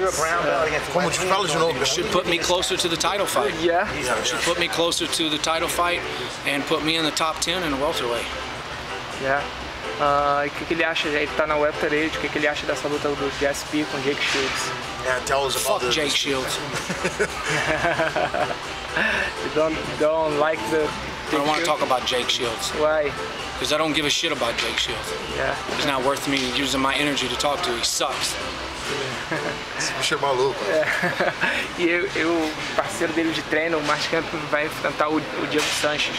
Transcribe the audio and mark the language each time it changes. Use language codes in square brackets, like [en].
[en] Should put me closer to the title fight. Yeah. Should put me closer to the title fight and put me in the top 10 in the welterweight. Yeah. [pt] O que ele acha? Ele tá na welterweight. O que ele acha dessa luta do GSP com Jake Schields? [en] Yeah, tell us about Fuck Jake Schields. you don't like the. I don't want to talk about Jake Schields. Why? Because I don't give a shit about Jake Shields. Yeah. It's not worth me using my energy to talk to. He sucks. [pt] Esse bicho é maluco. É. E eu, parceiro dele de treino, o Mark Camp, vai enfrentar o Diego Sanches.